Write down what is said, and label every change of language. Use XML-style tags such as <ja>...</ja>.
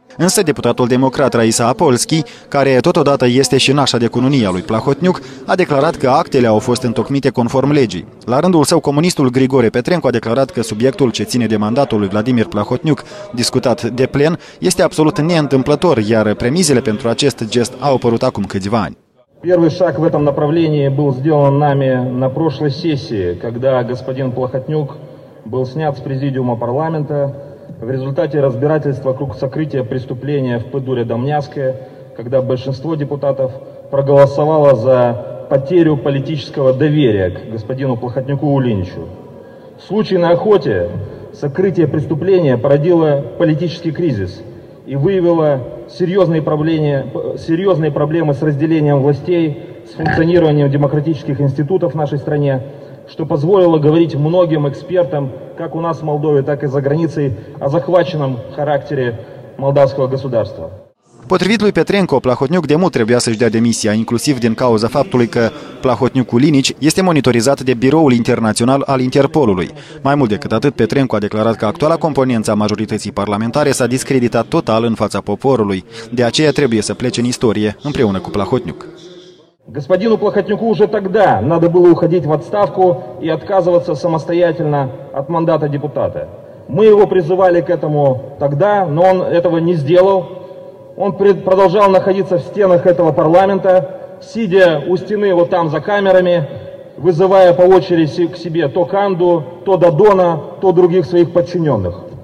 <ro>Însă deputatul democrat Raisa Apolski, care totodată este și nașa de cununia lui Plahotniuc, a declarat că actele au fost întocmite conform legii. La rândul său, comunistul Grigore Petrenco a declarat că subiectul ce ține de mandatul lui Vladimir Plahotniuc, discutat de plen, este absolut neîntâmplător, iar premizele pentru acest gest au apărut acum câțiva ani.</ro> <ru>Первый шаг в этом направлении был сделан нами на прошлой сессии, когда господин Плахотнюк был снят с президиума парламента в результате разбирательства вокруг сокрытия преступления в ПДУРе Домнянское, когда большинство депутатов проголосовало за потерю политического доверия к господину Плахотнюку Улиничу. В случае на охоте сокрытие преступления породило политический кризис и выявило серьезные проблемы с разделением властей, с функционированием демократических институтов в нашей стране, что позволило говорить многим экспертам, как у нас в Молдове, так и за границей, о захваченном характере молдавского государства.</ru> <ro>Potrivit lui Petrenko, Plahotniuc de mult trebuia să-și dea demisia, inclusiv din cauza faptului că Plahotniuc Ulinici este monitorizat de Biroul Internațional al Interpolului. Mai mult decât atât, Petrenko a declarat că actuala componență a majorității parlamentare s-a discreditat total în fața poporului. De aceea trebuie să plece în istorie împreună cu Plahotniuc.</ro> <ru>Господину Плахотнюку уже тогда надо было уходить в отставку и отказываться самостоятельно от мандата депутата. Мы его призывали к этому тогда, но он этого не сделал. Он продолжал находиться в стенах этого парламента, сидя у стены вот там за камерами, вызывая по очереди к себе то Канду, то Дадона, то других своих подчиненных.</ru>